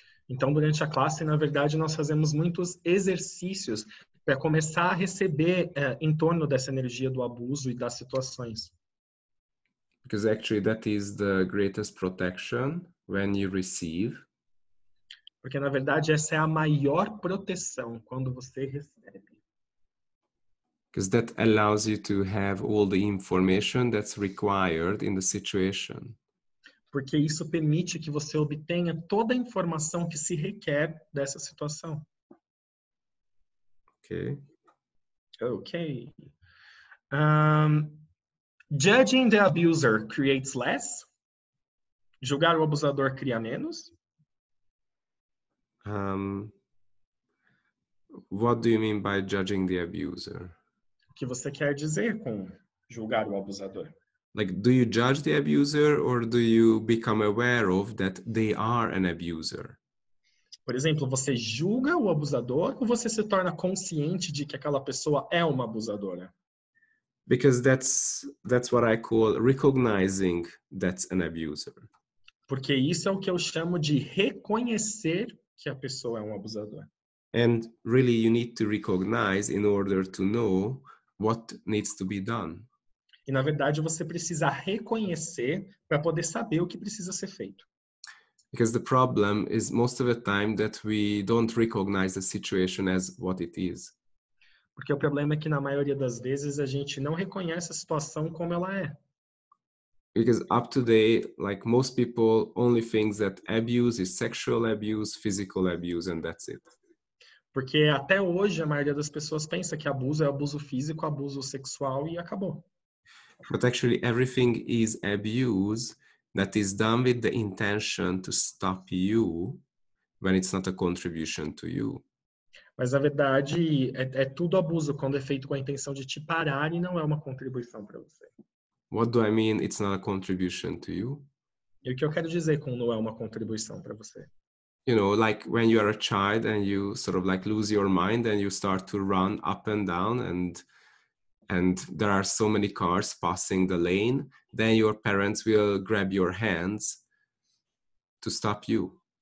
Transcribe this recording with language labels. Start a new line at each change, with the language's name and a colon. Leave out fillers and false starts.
Portuguese: Então, durante a classe, na verdade, nós fazemos muitos exercícios para começar a receber em torno dessa energia do abuso e das situações.
English: Because actually, that is the greatest protection when you receive.
Portuguese: Porque, na verdade, essa é a maior proteção quando você recebe.
English: Because that allows you to have all the information that's required in the situation.
Portuguese: Porque isso permite que você obtenha toda a informação que se requer dessa situação.
English: Ok. Ok. Judging the abuser creates less?
Portuguese: Julgar o abusador cria menos?
English: What do you mean by judging the abuser?
Portuguese: O que você quer dizer com julgar o abusador?
English: Like, do you judge the abuser or do you become aware of that they are an abuser?
Portuguese: Por exemplo, você julga o abusador ou você se torna consciente de que aquela pessoa é uma abusadora?
English: Because that's what I call recognizing that's an abuser.
Portuguese: Porque isso é o que eu chamo de reconhecer que a pessoa é um abusador.
English: And really you need to recognize in order to know what needs to be done.
Portuguese: E, na verdade, você precisa reconhecer para poder saber o que precisa ser feito.
English: Because the problem is most of the time that we don't recognize the situation as what it is.
Portuguese: Porque o problema é que, na maioria das vezes, a gente não reconhece a situação como ela é.
English: Because up to date, like most people only think that abuse is sexual abuse, physical abuse, and that's it.
Portuguese: Porque até hoje a maioria das pessoas pensa que abuso é abuso físico, abuso sexual e acabou.
English: But actually, everything is abuse that is done with the intention to stop you when it's not a contribution to you.
Portuguese: Mas na verdade, é tudo abuso quando é feito com a intenção de te parar e não é uma contribuição para você.
English: What do I mean it's not a contribution to you?
Portuguese: E o que eu quero dizer com não é uma contribuição para você?
English: You know, like when you are a child and you sort of like lose your mind and you start to run up and down and there are so many cars passing the lane, then your parents will grab your hands to stop you.